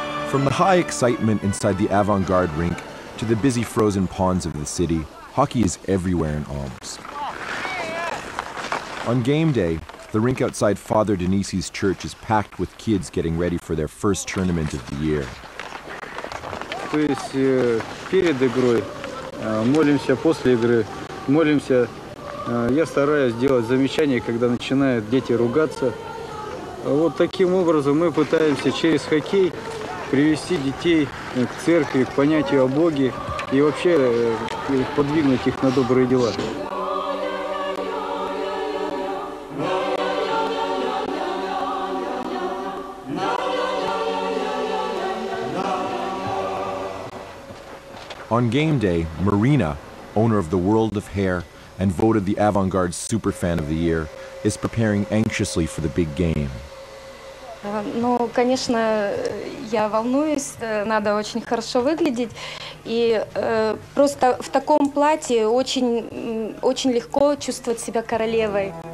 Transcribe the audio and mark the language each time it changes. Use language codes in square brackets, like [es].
[en] From the high excitement inside the Avangard rink to the busy frozen ponds of the city, hockey is everywhere in Omsk. On game day, the rink outside Father Denisi's church is packed with kids getting ready for their first tournament of the year. [ru] То есть перед игрой молимся, после игры молимся. Я стараюсь делать замечания, когда начинают дети ругаться. Вот таким образом мы пытаемся через хоккей привести детей к церкви, к понятию о Боге и вообще подвигнуть их на добрые дела. [en] On game day, Marina, owner of the World of Hair and voted the Avangard Super Fan of the Year, is preparing anxiously for the big game. [ru] Ну, конечно, я волнуюсь. Надо очень хорошо выглядеть. И просто в таком платье очень, очень легко чувствовать себя королевой.